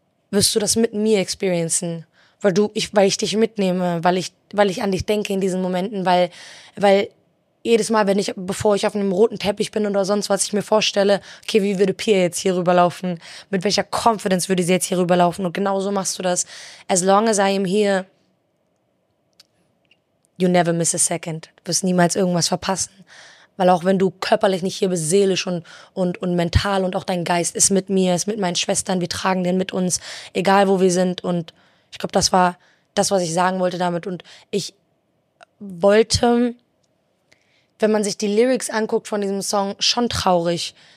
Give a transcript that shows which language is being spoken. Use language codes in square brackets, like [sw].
[de] wirst du das mit mir experiencen, weil ich dich mitnehme, weil ich an dich denke in diesen Momenten, weil jedes Mal, bevor ich auf einem roten Teppich bin oder sonst was, ich mir vorstelle, okay, wie würde Pia jetzt hier rüberlaufen? Mit welcher Confidence würde sie jetzt hier rüberlaufen? Und genau so machst du das. [en] As long as I am here, you never miss a second. [de] Du wirst niemals irgendwas verpassen. Weil auch wenn du körperlich nicht hier bist, seelisch und mental und auch dein Geist ist mit mir, ist mit meinen Schwestern, wir tragen den mit uns, egal wo wir sind. Und ich glaube, das war das, was ich sagen wollte damit. Und ich wollte, wenn man sich die Lyrics anguckt von diesem Song, schon traurig.